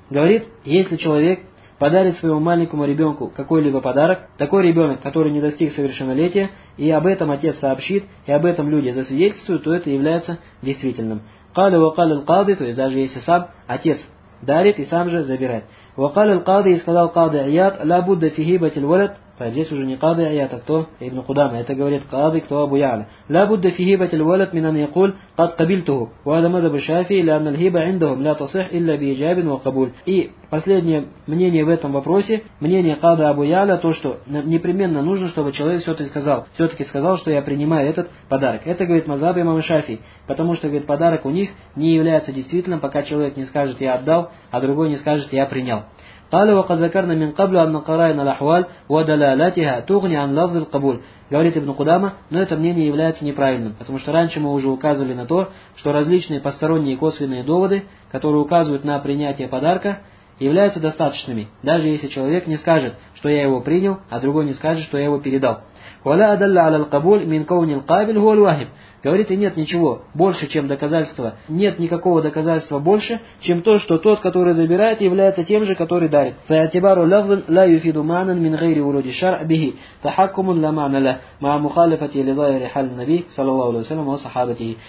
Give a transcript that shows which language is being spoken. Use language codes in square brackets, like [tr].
[ru] Говорит, если человек подарит своему маленькому ребенку какой-либо подарок, такой ребенок, который не достиг совершеннолетия, и об этом отец сообщит, и об этом люди засвидетельствуют, то это является действительным. [ar] Кали ва кали ль-кади, [ru] то есть даже если сам отец дарит и сам же забирает. [ar] وقال القاضي сказал قاضي عياد لا بد في هبة الولد. [ru] طيب здесь уже не قاضي عياد, а кто? Ибн Кудама. Это говорит قاضي, кто أبو يعلى. [ar] لا بد في هبة الولد من أن يقول قد قبلته. وهذا مذهب الشافعي لأن الهبة عندهم لا تصح إلا بإجاب وقبول. [ru] И последнее мнение в этом вопросе, мнение قاضي أبو يعلى, то что непременно нужно, чтобы человек все-таки сказал, что я принимаю этот подарок. Это говорит мазхаб имам Шафии, потому что говорит подарок у них не является действительным, пока человек не скажет я отдал, а другой не скажет я принял. [ar] قال وقد ذكرنا من قبل أن قرائن الأحوال ودلالاتها تغني عن لفظ القبول. [ru] Говорит Ибн Кудама, но это мнение является неправильным, потому что раньше мы уже указывали на то, что различные посторонние косвенные доводы, которые указывают на принятие подарка, являются достаточными, даже если человек не скажет, что я его принял, а другой не скажет, что я его передал. [ar] ولا أدل على القبول من كون القابل هو الواهب. [ru] Говорит, и нет ничего больше, чем доказательство. Нет никакого доказательства больше, чем то, что тот, который забирает, является тем же, который дарит. [ar] فَاعْتِبَارُ لَفْظٍ لَا يُفِيدُ مَعْنًا مِنْ غَيْرِ وُرُودِ الشَّرْعِ بِهِ تَحَكُّمٌ لَا مَعْنَى لَهُ مَعَ مُخَالَفَةِ لِظَاهِرِ حَالِ النَّبِيِّ صَلَّى اللَّهُ عَلَيْهِ وَسَلَّمَ وَصَحَابَتِهِ.